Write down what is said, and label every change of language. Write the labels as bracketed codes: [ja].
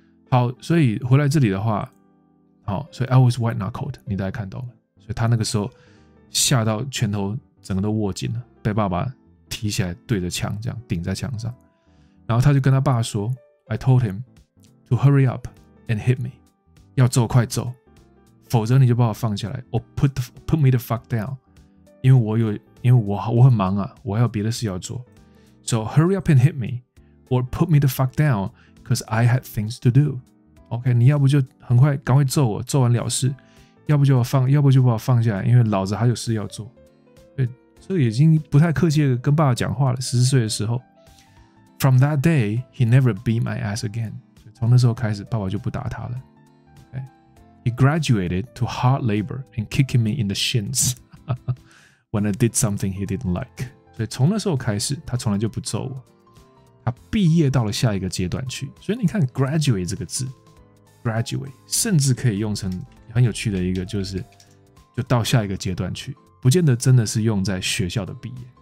[zh] 好，所以回来这里的话，好，所以 [en] I was white knuckled， [zh] 你大概看到了，所以他那个时候吓到拳头整个都握紧了，被爸爸提起来对着墙这样顶在墙上，然后他就跟他爸说 ， [en] I told him to hurry up and hit me， [zh] 要走快走，否则你就把我放下来 ， [en] or put me the fuck down， [zh] 因为我很忙啊，我还有别的事要做 ， [en] so hurry up and hit me or put me the fuck down。 Because I had things to do. [zh] OK, 你要不就很快赶快揍我，揍完了事，要不就把我放下来，因为老子还有事要做。对，这已经不太客气的跟爸爸讲话了，十四岁的时候。 [en] From that day, he never beat my ass again. [zh] 从那时候开始爸爸就不打他了。 [en] OK, he graduated to hard labor and kicking me in the shins when I did something he didn't like. [zh] 所以从那时候开始他从来就不揍我。他毕业到了下一个阶段去，所以你看 graduate 这个字 graduate 甚至可以用成很有趣的一个，就是就到下一个阶段去，不见得真的是用在学校的毕业。